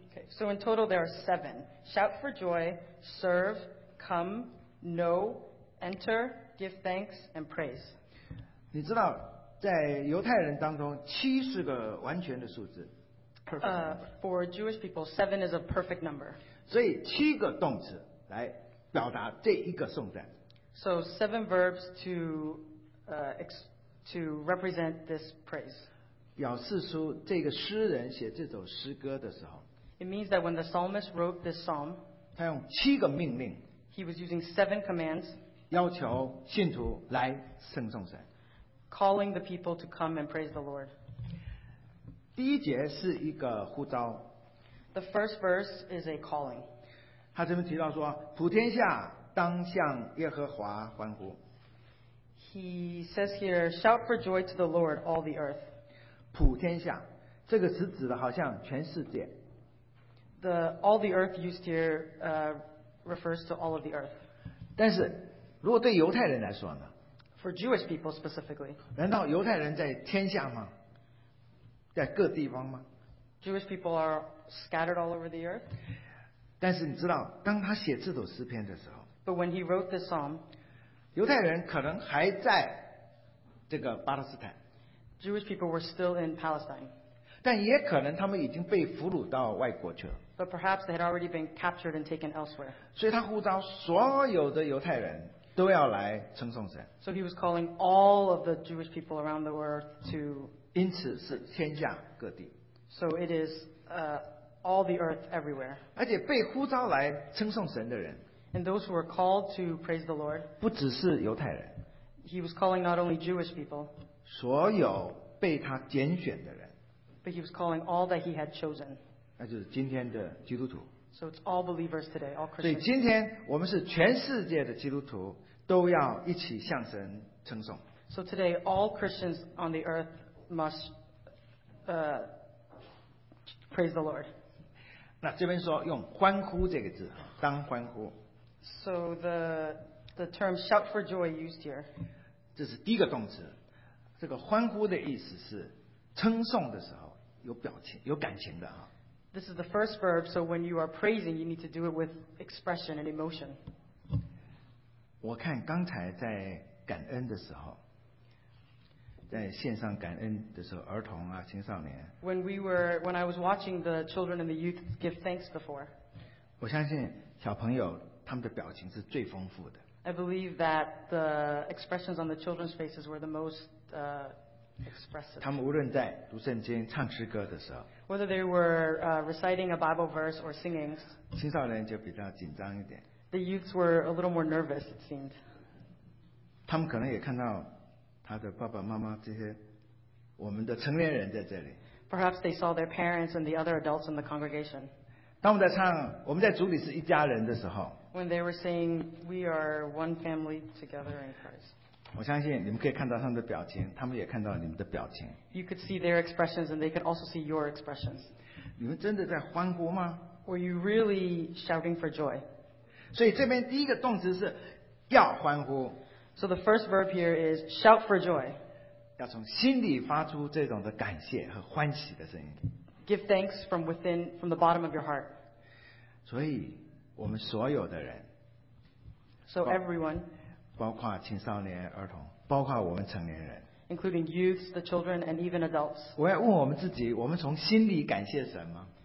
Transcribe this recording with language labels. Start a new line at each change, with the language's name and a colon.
English: Okay, so in total there are seven: shout for joy, serve, come, know, enter, give thanks, and praise.
Chinese: 你知道？在犹太人当中，七是个完全的数字。
English: For Jewish people, seven is a perfect number.
Chinese: 所以七个动词来表达这一个颂赞。
English: So seven verbs to represent this praise.
Chinese: 表示出这个诗人写这首诗歌的时候。
English: It means that when the psalmist wrote this psalm,
Chinese: 他用七个命令。
English: He was using seven commands.
Chinese: 要求信徒来称颂神。
English: Calling the people to come and praise the Lord.
Chinese: 第一节是一个呼召。
English: The first verse is a calling.
Chinese: 他这边提到说，普天下当向耶和华欢呼。
English: He says here, shout for joy to the Lord, all the earth.
Chinese: 普天下，这个词指的好像全世界。
English: The all the earth used here refers to all of the earth.
Chinese: 但是，如果对犹太人来说呢？
English: For Jewish people specifically.
Chinese: 难道犹太人在天下吗？在各地方吗？
English: Jewish people are scattered all over the earth.
Chinese: 但是你知道，当他写这首诗篇的时候，
English: But when he wrote this psalm,
Chinese: 犹太人可能还在这个巴勒斯坦。
English: Jewish people were still in Palestine.
Chinese: 但也可能他们已经被俘虏到外国去了。
English: But perhaps they had already been captured and taken elsewhere.
Chinese: 所以他呼召所有的犹太人都要来称颂神。
English: So he was calling all of the Jewish people around the world to.
Chinese: 因此是天下各地。
English: So it is all the earth everywhere.
Chinese: 而且被呼召来称颂神的人。
English: And those who were called to praise the Lord.
Chinese: 不只是犹太人。
English: He was calling not only Jewish people.
Chinese: 所有被他拣选的人。
English: But he was calling all that he had chosen.
Chinese: 那就是今天的基督徒。
English: So it's all believers today, all Christians.
Chinese: 所以今天我们是全世界的基督徒，都要一起向神称颂。
English: So today, all Christians on the earth must praise the Lord.
Chinese: 那这边说用"欢呼"这个字，当欢呼。
English: So the the term shout for joy used here.
Chinese: 这是第一个动词，这个欢呼的意思是称颂的时候有表情有感情的啊。
English: This is the first verb, so when you are praising, you need to do it with expression and emotion.
Chinese: 我看刚才在感恩的时候，在线上感恩的时候，儿童啊，青少年。
English: When I was watching the children and the youth give thanks before.
Chinese: 我相信小朋友他们的表情是最丰富的。
English: I believe that the expressions on the children's faces were the most expressive.
Chinese: 他们无论在读圣经、唱诗歌的时候。
English: Whether they were reciting a Bible verse or singing.
Chinese: 青少年就比较紧张一点。
English: The youths were a little more nervous, it seemed.
Chinese: 他们可能也看到他的爸爸妈妈这些我们的成年人在这里。
English: Perhaps they saw their parents and the other adults in the congregation.
Chinese: 当我们在唱我们在主里是一家人的时候。
English: When they were saying we are one family together in Christ.
Chinese: 我相信你们可以看到他们的表情，他们也看到你们的表情。
English: You could see their expressions and they could also see your expressions.
Chinese: 你们真的在欢呼吗？
English: Were you really shouting for joy?
Chinese: 所以这边第一个动词是要欢呼。
English: So the first verb here is shout for joy.
Chinese: 要从心里发出这种的感谢和欢喜的声音。
English: Give thanks from within, from the bottom of your heart.
Chinese: 所以我们所有的人
English: So everyone
Chinese: 包括青少年儿童包括我们成年人
English: Including youths, the children, and even adults
Chinese: 我要问我们自己我们从心里感谢什么